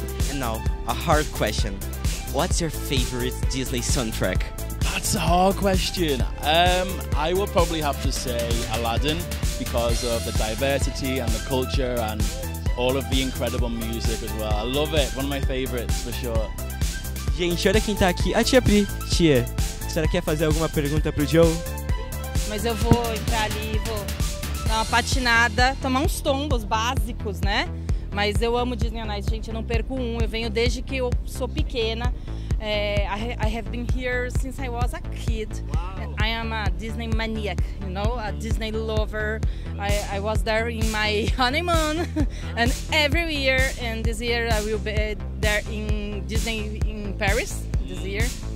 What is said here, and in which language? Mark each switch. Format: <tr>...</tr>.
<en>And now, a hard question. What's your favorite Disney soundtrack? That's a hard question. I would probably have to say Aladdin because of the diversity and the culture and all of the incredible music as well. I love it. One of my favorites, for sure.</en> <pt>Gente, olha quem tá aqui. A tia Pri. Tia, a senhora quer fazer alguma pergunta pro Joe? Mas eu vou entrar ali, vou dar uma patinada, tomar uns tombos básicos, né? Mas eu amo Disneyonice, gente. Eu não perco um. Eu venho desde que eu sou pequena.</pt> <en>I have been here since I was a kid. Wow. I am a Disney maniac, you know, a Disney lover. I was there in my honeymoon and every year, and this year I will be there in Disney in Paris this year.</en>